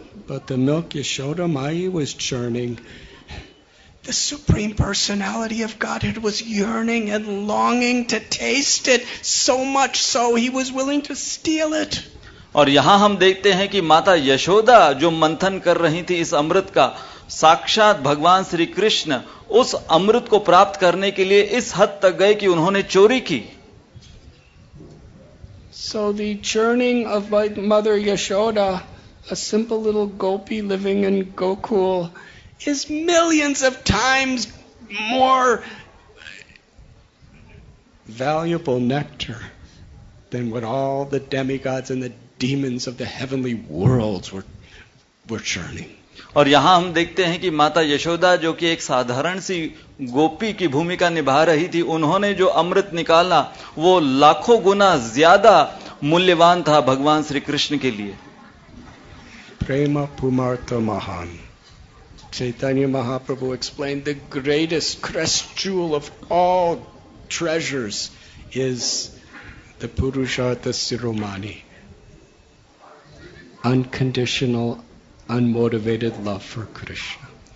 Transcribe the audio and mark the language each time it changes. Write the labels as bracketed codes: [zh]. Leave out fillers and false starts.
[en] But the milk Yashoda Mai was churning. The Supreme Personality of Godhead was yearning and longing to taste it, so much so he was willing to steal it. [hi] और यहाँ हम देखते हैं कि माता यशोदा जो मंथन कर रही थी इस अमृत का, साक्षात भगवान श्री कृष्ण उस अमृत को प्राप्त करने के लिए इस हद तक गए कि उन्होंने चोरी की. [en] So the churning of Mother Yashoda, a simple little gopi living in Gokul, is millions of times more valuable nectar than what all the demigods and the demons of the heavenly worlds were churning. [hi] और यहां हम देखते हैं कि माता यशोदा जो कि एक साधारण सी गोपी की भूमिका निभा रही थी, उन्होंने जो अमृत निकाला वो लाखों गुना ज्यादा मूल्यवान था भगवान श्री कृष्ण के लिए। [sa] प्रेम पुमार्थ महान [en] Chaitanya Mahaprabhu explain the greatest crest jewel of all treasures is the पुरुषार्थ शिरोमणि unconditional unmotivated love for Krishna.